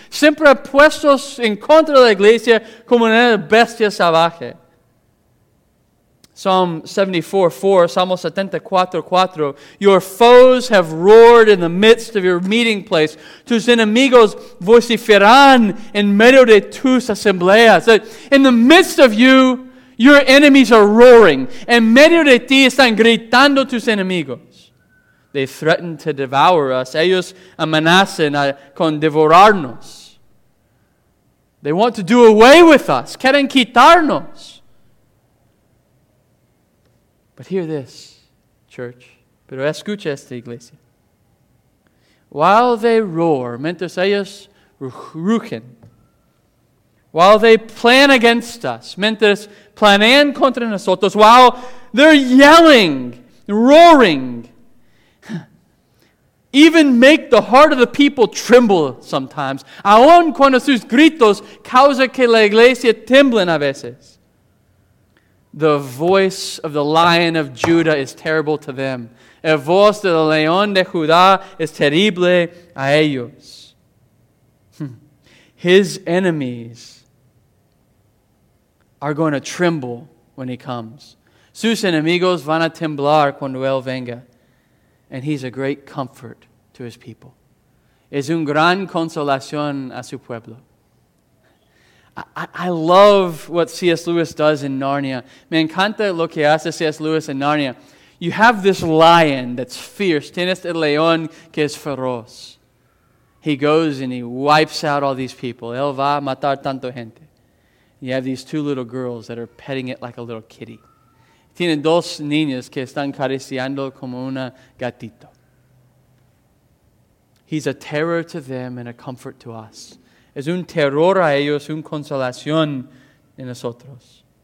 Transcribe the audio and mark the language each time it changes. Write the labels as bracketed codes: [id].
[es] Siempre ha puesto en contra la iglesia como una bestia salvaje. [en] Psalm 74:4, Salmo 74:4. Your foes have roared in the midst of your meeting place. [es] Tus enemigos vociferan en medio de tus asambleas. [en] In the midst of you, your enemies are roaring. [es] En medio de ti están gritando tus enemigos. [en] They threaten to devour us. [es] Ellos amenazan con devorarnos. [en] They want to do away with us. [es] Quieren quitarnos. [en] But hear this, church. [es] Pero escucha esta iglesia. [en] While they roar, [es] mientras ellos rugen, [en] while they plan against us, [es] mientras planean contra nosotros, [en] while they're yelling, roaring, even make the heart of the people tremble sometimes. [es] Aun cuando sus gritos causa que la iglesia tiemblen a veces. [en] The voice of the Lion of Judah is terrible to them. [es] El voz del León de Judá es terrible a ellos. [en] His enemies are going to tremble when he comes. [es] Sus enemigos van a temblar cuando él venga. [en] And he's a great comfort to his people. [es] Es un gran consolación a su pueblo. [en] I love what C.S. Lewis does in Narnia. [es] Me encanta lo que hace C.S. Lewis in Narnia. [en] You have this lion that's fierce. [es] Tienes el león que es feroz. [en] He goes and he wipes out all these people. [es] Él va a matar tanto gente. [en] And you have these two little girls that are petting it like a little kitty. [es] Tienen dos niñas que están cariciando como una gatito. [en] He's a terror to them and a comfort to us. [es] Es un terror a ellos, un consolación en nosotros.